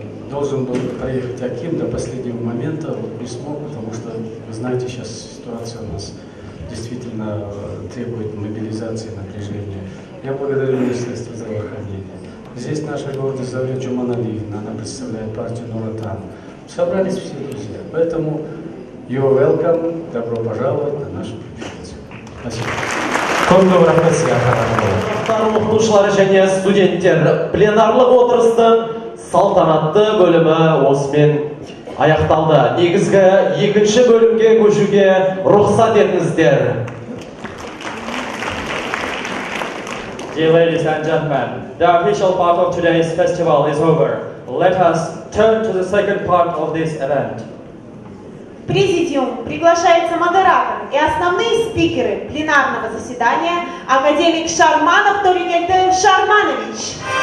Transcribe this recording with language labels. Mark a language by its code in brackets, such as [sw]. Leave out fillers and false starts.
[ru] Должен был проехать Аким до последнего момента, не смог, потому что, вы знаете, сейчас ситуация у нас действительно требует мобилизации, напряжения. Я благодарю Министерство здравоохранения. Здесь наша гордость зовет Джуман Алиевна, она представляет партию Нур Отан. Собрались все друзья, поэтому [en] you're welcome, [ru] добро пожаловать на нашу конференцию. Спасибо. [kk] Құрметті оқытушылар және студенттер, пленарлық отырыстың салтанатты бөлімі осымен аяқталды. Негізгі екінші бөлімге көшуге рұқсат етіңіздер. [en] Dear ladies and gentlemen, the official part of today's festival is over. Let us turn to the second part of this event. [ru] Президиум приглашается модератор и основные спикеры пленарного заседания академик Шарманов Торинельте Шарманович.